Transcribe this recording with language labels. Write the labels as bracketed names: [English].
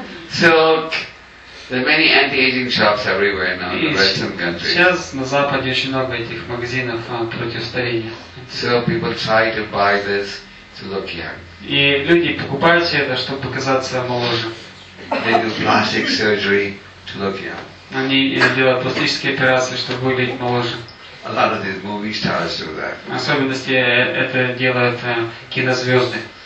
[English] So, there are many anti-aging shops everywhere now in the Western countries. [Russian] Сейчас на Западе очень много этих магазинов против старения. [English] So people try to buy this to look young. [Russian] И люди покупают все это, чтобы показаться моложе. [English] They do plastic surgery to look young. [Russian] Они делают пластические операции, чтобы выглядеть моложе. [English] A lot of these movie stars do that. [Russian] Особенности это делают кинозвезды.